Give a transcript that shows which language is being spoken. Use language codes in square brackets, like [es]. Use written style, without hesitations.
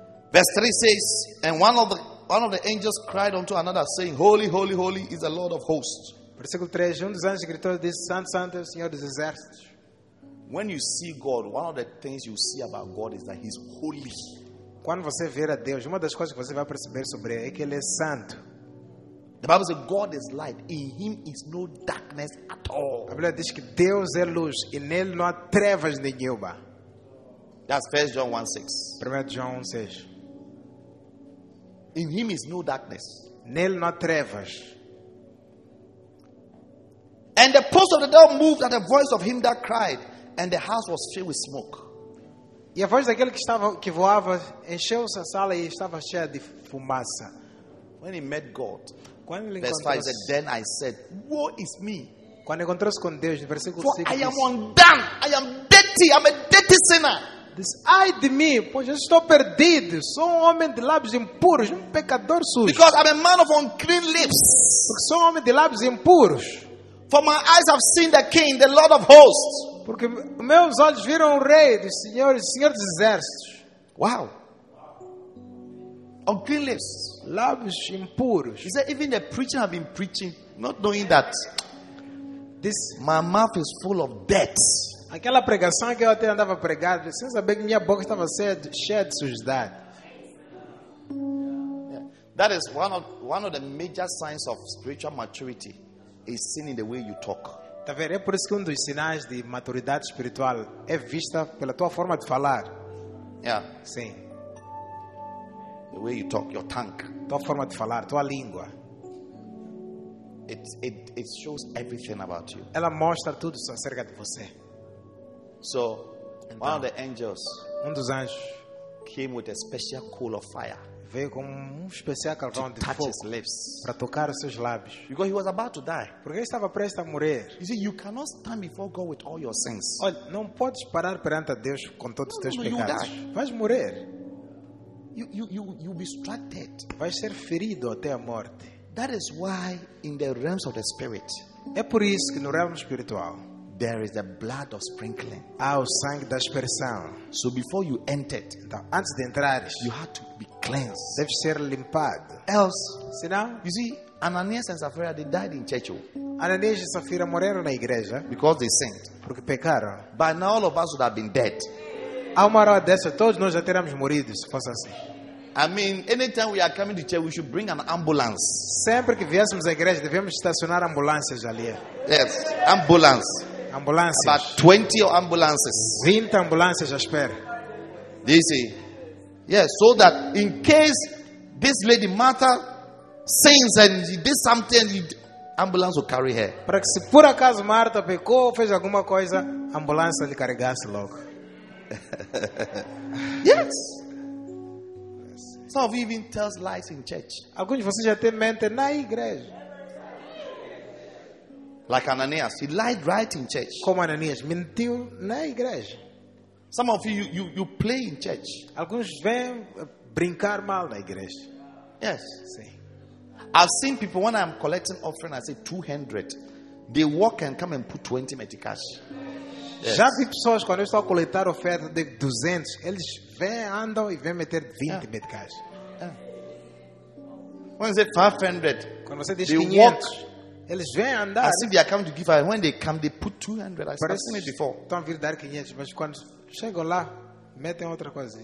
[en] Verse 3 says, and one of the angels cried unto another, saying, Holy, holy, holy is the Lord of hosts. [pt] Versículo 3, um dos anjos gritou, disse, Santo, Santo é o Senhor dos Exércitos. [en] When you see God, one of the things you see about God is that He's holy. [pt] Quando você ver a Deus, uma das coisas que você vai perceber sobre Ele é que Ele é santo. [en] The Bible says God is light. In him is no darkness at all. [pt] A Bíblia diz que Deus é luz e nele não há trevas nenhuma. [en] That's 1 John 1:6. [pt] 1 João 1:6. [en] In him is no darkness. [pt] Nele não há trevas. [en] And the post of the door moved at the voice of him that cried, and the house was filled with smoke. [pt] E a voz daquele que voava encheu-se a sala e estava cheia de fumaça. [en] When he met God, verse 5 said, then I said, woe is me. [pt] Quando encontrou-se com Deus, no versículo 6, [en] for I am undone. I am dirty. I'm a dirty sinner. [pt] Diz, ai de mim, pois eu estou perdido. Sou um homem de lábios impuros, um pecador sujo. [en] Because I'm a man of unclean lips. [pt] Porque sou um homem de lábios impuros. [en] For my eyes have seen the King, the Lord of hosts. [pt] Porque meus olhos viram o rei, o Senhor, dos exércitos. [en] Wow. Unclean lips. [pt] Lábios impuros. [en] He said, even the preaching have been preaching, not knowing that this my mouth is full of debts. [pt] Aquela pregação que eu até andava a pregar, sem saber que minha boca estava cheia de sujidade. [en] That is one of the major signs of spiritual maturity is seen in the way you talk. [pt] Tá vendo? É por isso que dos sinais de maturidade espiritual é vista pela tua forma de falar. [en] Yeah. [pt] Sim. [en] The way you talk, your tongue. [pt] Tua forma de falar, tua língua. [en] It shows everything about you. [pt] Ela mostra tudo acerca de você. [en] So, então, one of the angels, [pt] dos anjos, [en] came with a special coal of fire. [pt] Veio com especial carvão de fogo para tocar os seus lábios. [en] Because he was about to die. [pt] Porque ele estava prestes a morrer. [en] You see, you cannot stand before God with all your sins. [pt] Olha, não podes parar perante a Deus com todos os teus pecados. Vais morrer. [en] You'll be struck dead. [pt] Vai ser ferido até a morte. [en] That is why in the realms of the spirit, [pt] é por isso que no reino espiritual, [en] there is the blood of sprinkling. [pt] Ah, o sangue da aspersão. [en] So before you entered, [pt] então, antes de entrares, [en] you had to be cleansed. [pt] Deve ser limpado. [en] Else, see now, you see, Ananias and Sapphira, they died in church. [pt] Ananias e Sapphira morreram na igreja [en] because they sinned. [pt] Porque pecaram. [en] By now, all of us would have been dead. [pt] A uma hora dessa, todos nós já teríamos morrido se fosse assim. [en] I mean, anytime we are coming to church, we should bring an ambulance. [pt] Sempre que viéssemos à igreja, devemos estacionar ambulâncias ali. [en] Yes, ambulance. [pt] Ambulâncias. [en] About 20 ambulances. [pt] 20 ambulâncias, já espero. [en] Do you see? Yes, so that in case this lady Martha sins and she did something, the ambulance will carry her. [pt] Para que se por acaso Martha pecou ou fez alguma coisa, a ambulância lhe carregasse logo. [en] Yes. Some of you even tell lies in church. [pt] Alguns de vocês já têm mente na igreja. [en] Like Ananias, he lied right in church. [pt] Como Ananias, mentiu na igreja. [en] Some of you play in church. [pt] Alguns vêm brincar mal na igreja. [en] Yes. [pt] Sim. [en] I've seen people when I'm collecting offering, I say 200. They walk and come and put 20 metric cash. Yes. [pt] Já vi pessoas quando eu estou a coletar oferta de 200, eles vêm, andam e vêm meter 20 metric cash. [en] When you say 500, [pt] quando você diz 500, walk, eles vêm andar. [en] As if they are coming to give, and when they come, they put 200. I've seen it before. [pt] Estão a vir dar 500, mas quando chegam lá, metem outra coisa.